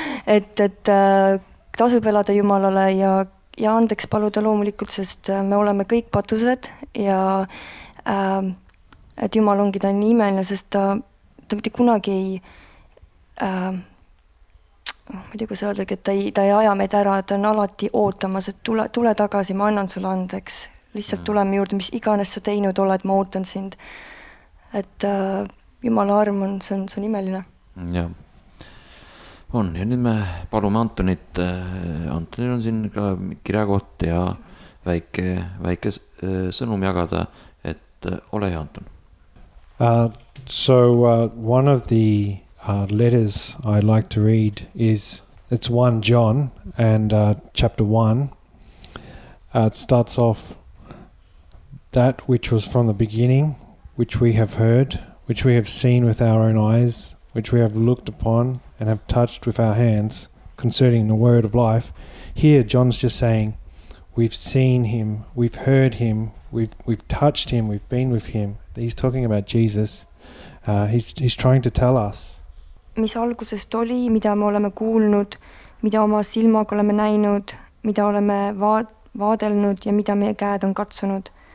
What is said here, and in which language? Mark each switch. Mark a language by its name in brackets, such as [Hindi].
[Estonian] et tasub elada Jumalale ja andeks paluda loomulikult, sest me oleme kõik patused ja et Jumal ongi ta nii imeline, sest ta mitte kunagi ei ta ei aja meid ära, ta on alati ootamas, et tule tagasi, ma annan sulle andeks, lihtsalt tuleme juurde, mis iganes sa teinud oled, ma ootan sind, et Jumala arm on, see on imeline. Ja On, ja nüüd me palume Antonit. Antonil on siin ka kirjakoht ja väike sõnum jagada, et ole hea, Anton. [English] One of the letters I like to read is, it's 1 John and chapter 1. It starts off, that which was from the beginning, which we have heard, which we have seen with our own eyes, which we have looked upon and have touched with our hands concerning the word of life. Here, John's just saying, we've seen him, we've heard him, we've touched him, we've been with him. He's talking about Jesus. He's trying to tell us. [Estonian] Mis algusest oli, mida me oleme kuulnud, mida oma silmaga oleme näinud, mida oleme vaadelnud ja mida meie käed on katsunud.